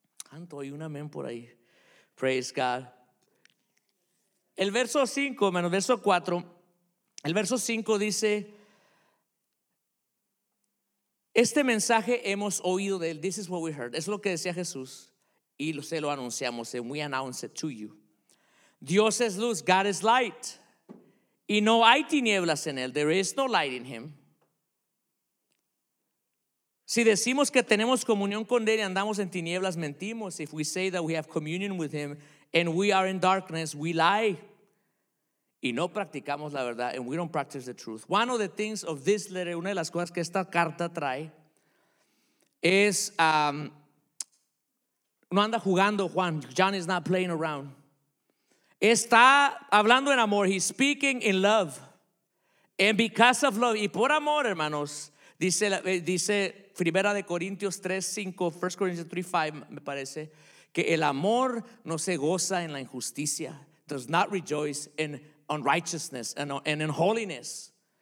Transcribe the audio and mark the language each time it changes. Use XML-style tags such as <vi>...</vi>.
<es>Canto, hay un amén por ahí.</es> <en>Praise God.</en> <es>El verso 5, menos verso 4, el verso 5 dice, este mensaje hemos oído de él,</es> <en>this is what we heard,</en> <es>es lo que decía Jesús, y se lo anunciamos,</es> <en>and we announce it to you.</en> <es>Dios es luz,</es> <en>God is light.</en> <es>Y no hay tinieblas en él.</es> <en>There is no light in him.</en> <es>Si decimos que tenemos comunión con él y andamos en tinieblas, mentimos.</es> <en>If we say that we have communion with him and we are in darkness, we lie.</en> <es>Y no practicamos la verdad,</es> <en>and we don't practice the truth. One of the things of this letter,</en> <es>una de las cosas que esta carta trae, es no anda jugando Juan.</es> <en>John is not playing around.</en> <es>Está hablando en amor.</es> <en>He's speaking in love. And because of love.</en> <es>Y por amor, hermanos. Dice Primera de Corintios 3:5,</es> <en>1 Corinthians 3:5,</en> <es>me parece. Que el amor no se goza en la injusticia.</es> <en>Does not rejoice in unrighteousness and in holiness.</en>